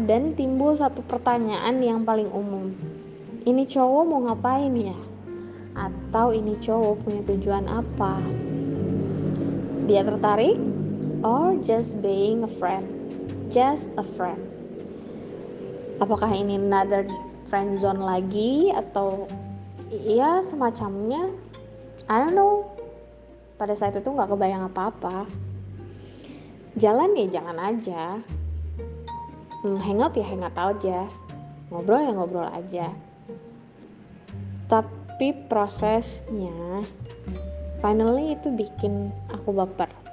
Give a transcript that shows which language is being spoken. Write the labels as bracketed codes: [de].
[id] Dan timbul satu pertanyaan yang paling umum, ini cowok mau ngapain ya? Atau ini cowok punya tujuan apa? Dia tertarik? [en] Or just being a friend? Just a friend. [id] Apakah ini [en] another friend zone [id] lagi? Atau ya semacamnya, [en] I don't know. [id] Pada saat itu gak kebayang apa-apa. Jalan ya jangan aja. Hangout ya hangout aja. Ngobrol ya ngobrol aja. Tapi prosesnya, finally itu bikin aku baper.